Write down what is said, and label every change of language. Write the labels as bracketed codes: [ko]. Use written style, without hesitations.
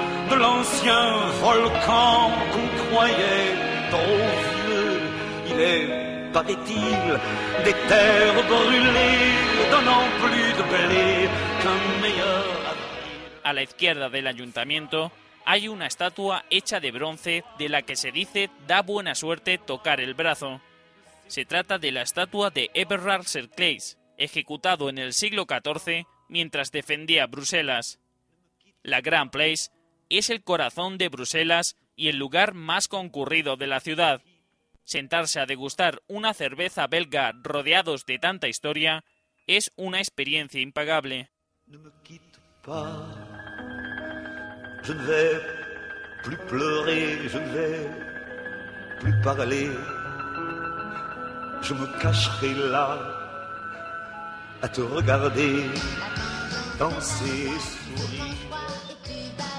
[fr] De l'ancien volcan qu'on croyait trop vieux, il est, paraît-il, des terres brûlées donnant plus de blé qu'un meilleur. [es] A la izquierda del ayuntamiento hay una estatua hecha de bronce de la que se dice da buena suerte tocar el brazo. Se trata de la estatua de Everard Sercleis, ejecutado en el siglo XIV mientras defendía Bruselas. La Grand Place es el corazón de Bruselas y el lugar más concurrido de la ciudad. Sentarse a degustar una cerveza belga rodeados de tanta historia es una experiencia impagable. [fr] Ne me quitte pas, je ne vais plus pleurer, je ne vais plus parler, je me cacherai là à te regarder danser sourire.